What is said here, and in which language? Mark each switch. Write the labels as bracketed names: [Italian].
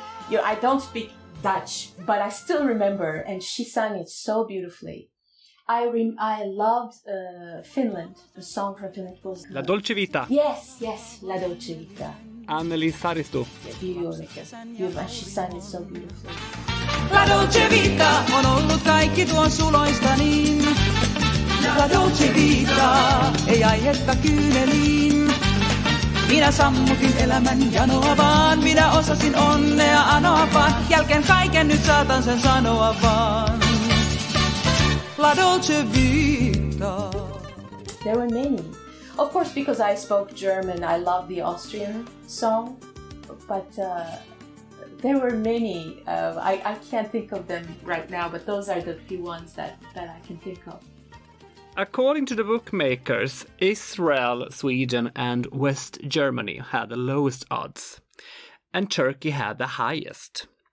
[English] You know, I don't speak Dutch, but I still remember, and she sang it so beautifully. I loved Finland. The song from Finland was La Dolce Vita. Yes, La Dolce Vita. Anneli Saristo. Beautiful. She sang it so beautifully. [Finnish] La Dolce Vita, on ollut kaikki tuon suloista niin. La Dolce Vita, ei aihetta kyyneliin. Minä sammutin elämän janoa vaan, minä osasin onnea anoa vaan. Jälkeen kaiken nyt saatan sen sanoa vaan. [English] La Dolce Vita. There were many. Of course, because I spoke German, I love the Austrian song. But there were many. I can't think of them right now, but those are the few ones that I can think of. According to the bookmakers, Israel, Sweden and West Germany had the lowest odds, and Turkey had the highest.